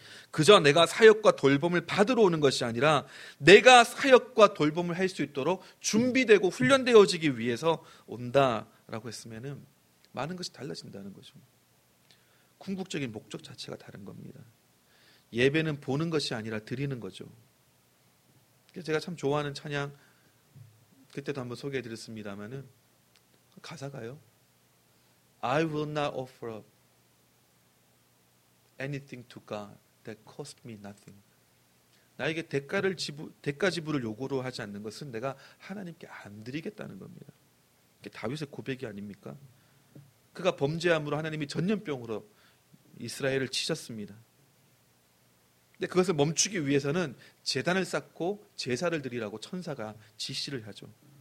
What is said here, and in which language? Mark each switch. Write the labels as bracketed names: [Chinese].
[Korean] 그저 내가 사역과 돌봄을 받으러 오는 것이 아니라 내가 사역과 돌봄을 할 수 있도록 준비되고 훈련되어지기 위해서 온다라고 했으면 많은 것이 달라진다는 거죠. 궁극적인 목적 자체가 다른 겁니다. 예배는 보는 것이 아니라 드리는 거죠. 제가 참 좋아하는 찬양, 그때도 한번 소개해드렸습니다만은 가사가요. [English] I will not offer up anything to God that cost me nothing. [Korean] 나에게 대가 지불을 요구로 하지 않는 것은 내가 하나님께 안 드리겠다는 겁니다. 이게 다윗의 고백이 아닙니까? 그가 범죄함으로 하나님이 전염병으로 이스라엘을 치셨습니다. 근데 그것을 멈추기 위해서는 제단을 쌓고 제사를 드리라고 천사가 지시를 하죠.